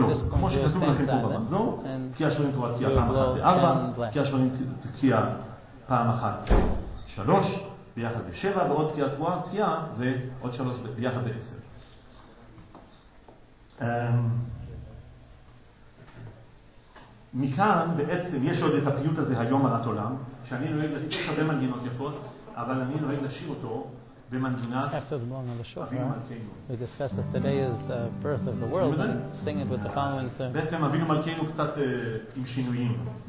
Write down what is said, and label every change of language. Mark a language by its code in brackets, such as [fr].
[he] כמו שכתוב לכם פה במזור, תקיעה שלו עם תורת תקיעה פעם אחת זה 4, תקיעה שלו עם תקיעה פעם אחת זה 3, ביחד זה 7, ועוד תקיעה תרועה, תקיעה זה עוד 3, ביחד זה 10. מכאן בעצם יש עוד את הפיוט הזה היום עלת עולם, שאני נוהג לשיר אותו במנגינות יפות, אבל אני נוהג לשיר אותו [en] after the morning of the shofar, we discuss that today is the birth of the world and sing it with the following term. [he] בעצם אבינו מלכנו קצת עם שינויים.